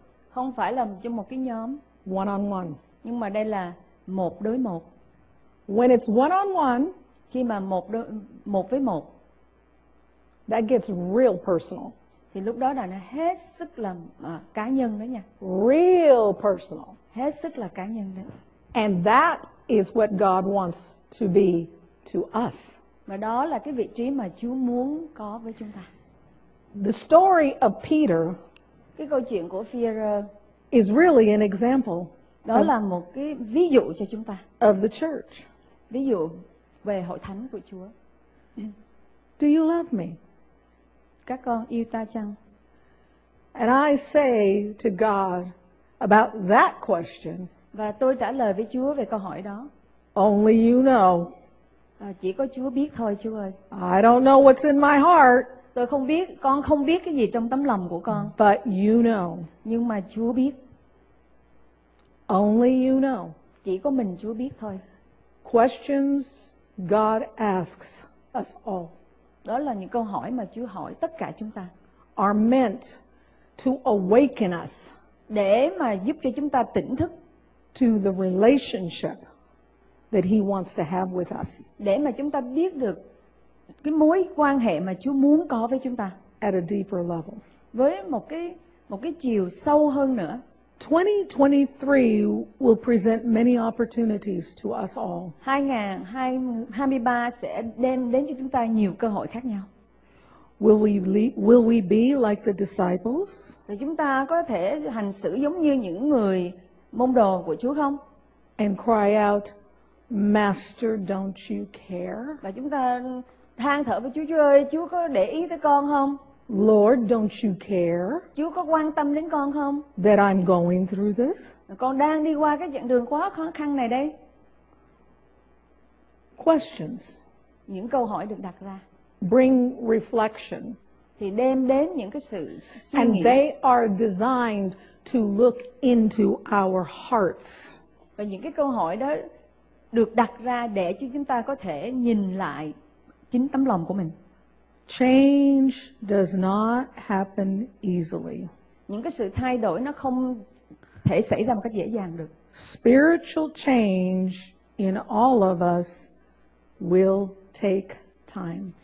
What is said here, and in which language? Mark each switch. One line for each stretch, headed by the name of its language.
Vietnamese: không phải là trong một cái nhóm.
English: One on one.
Vietnamese: Nhưng mà đây là một đối một.
English: When it's one on one,
Vietnamese: khi mà một với một,
English: that gets real personal.
Vietnamese: Thì lúc đó là nó hết sức là cá nhân đó nha.
English: Real personal.
Vietnamese: Hết sức là cá nhân đó.
English: And that is what God wants to be to us.
Vietnamese: Và đó là cái vị trí mà Chúa muốn có với chúng ta.
English: The story of Peter,
Vietnamese: cái câu chuyện của Phi-e-rơ,
English: is really an example.
Vietnamese: Đó là một cái ví dụ cho chúng ta.
English: Of the church.
Vietnamese: Ví dụ về hội thánh của Chúa.
English: Do you love me?
Vietnamese: Các con yêu ta chăng?
English: And I say to God about that question.
Vietnamese: Và tôi trả lời với Chúa về câu hỏi đó.
English: Only you know.
Vietnamese: Chỉ có Chúa biết thôi, Chúa ơi.
English: I don't know what's in my heart.
Vietnamese: Tôi không biết, con không biết cái gì trong tấm lòng của con.
English: But you know.
Vietnamese: Nhưng mà Chúa biết.
English: Only you know.
Vietnamese: Chỉ có mình Chúa biết thôi.
English: Questions God asks us all.
Vietnamese: Đó là những câu hỏi mà Chúa hỏi tất cả chúng ta.
English: Are meant to awaken us.
Vietnamese: Để mà giúp cho chúng ta tỉnh thức.
English: To the relationship that he wants to have with us.
Vietnamese: Để mà chúng ta biết được cái mối quan hệ mà Chúa muốn có với chúng ta.
English: At a deeper level.
Vietnamese: Với một cái chiều sâu hơn nữa.
English: 2023 will present many opportunities to us all.
Vietnamese: 2023 sẽ đem đến cho chúng ta nhiều cơ hội khác nhau.
English: Will we be like the disciples?
Vietnamese: Và chúng ta có thể hành xử giống như những người môn đồ của Chúa không?
English: And cry out, Master, don't you care?
Vietnamese: Và chúng ta than thở với Chúa ơi, Chúa có để ý tới con không?
English: Lord, don't you care?
Vietnamese: Chúa có quan tâm đến con không?
English: That I'm going through this?
Vietnamese: Con đang đi qua cái chặng đường quá khó khăn này đây.
English: Questions.
Vietnamese: Những câu hỏi được đặt ra.
English: Bring reflection.
Vietnamese: Thì đem đến những cái sự suy nghĩ.
English: And they are designed to look into our hearts.
Vietnamese: Và những cái câu hỏi đó được đặt ra để cho chúng ta có thể nhìn lại chính tấm lòng của mình.
English: Change does not happen easily.
Vietnamese: Những cái sự thay đổi nó không thể xảy ra một cách dễ dàng được.
English: Spiritual change in all of us will take time.